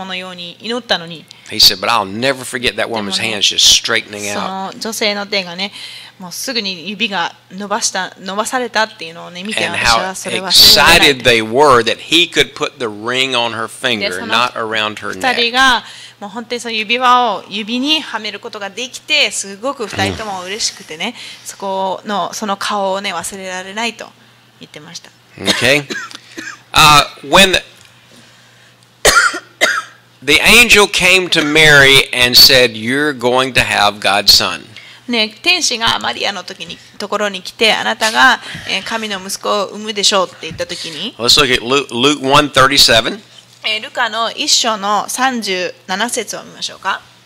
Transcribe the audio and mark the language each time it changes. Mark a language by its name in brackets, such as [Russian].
[English] He said, but I'll never forget that woman's hands just straightening out. And how excited they were that he could put the ring on her finger, not around her neck. [Japanese] もう本当にその指輪を指にはめることができてすごく二人とも嬉しくてね、そこのその顔をね忘れられないと言ってました。 [English] Okay. When the angel came to Mary and said, "You're going to have God's son." [Japanese] ね、天使がマリアのときにところに来て、あなたが神の息子を産むでしょうって言ったときに。 [English] Let's look at Luke 1:37. [Japanese] ルカの一章の37節を見ましょうか。